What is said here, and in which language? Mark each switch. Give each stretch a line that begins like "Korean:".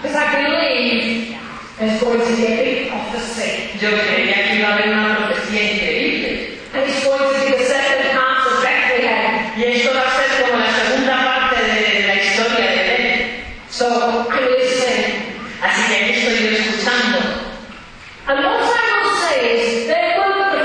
English: Because I believe there's going to be a big prophecy.
Spanish: Yo creía que iba a haber una profecía increíble.
English: And it's going to be the second half of Bethlehem.
Spanish: Y esto va a ser como la segunda parte de la historia de Belén.
English: So I'm listening.
Spanish: Así que aquí estoy escuchando.
English: And what I will say is, there were